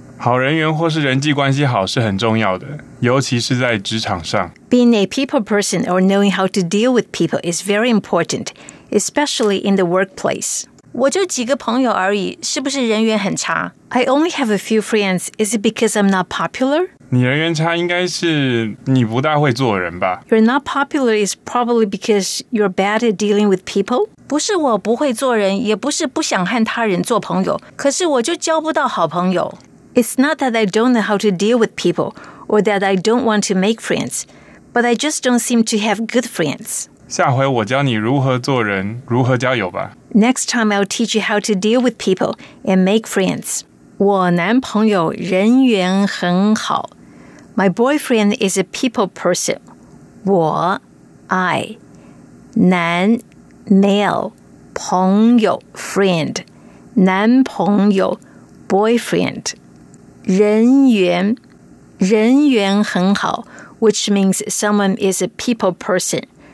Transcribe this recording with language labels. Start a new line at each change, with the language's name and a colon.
Chinese: 好人缘或是人际关系好是很重要的，尤其是在职场上。
English: Being a people person or knowing how to deal with people is very important, especially in the workplace.
Chinese: 我就几个朋友而已，是不是人缘很差？
English: I only have a few friends. Is it because I'm not popular?
Chinese: 你人缘差应该是你不大会做人吧。
English: You're not popular is probably because you're bad at dealing with people.
Chinese: 不是我不会做人，也不是不想和他人做朋友，可是我就交不到好朋友。
English: It's not that I don't know how to deal with people, or that I don't want to make friends, but I just don't seem to have good friends.
Chinese: 下回我教你如何做人，如何交友吧。
English: Next time I'll teach you how to deal with people and make friends.
Chinese: 我男朋友人缘很好。
English: My boyfriend is a people person. 我 I 男 male 朋友 friend 男朋友 boyfriend
Chinese: 人缘很好
English: which means someone is a people person.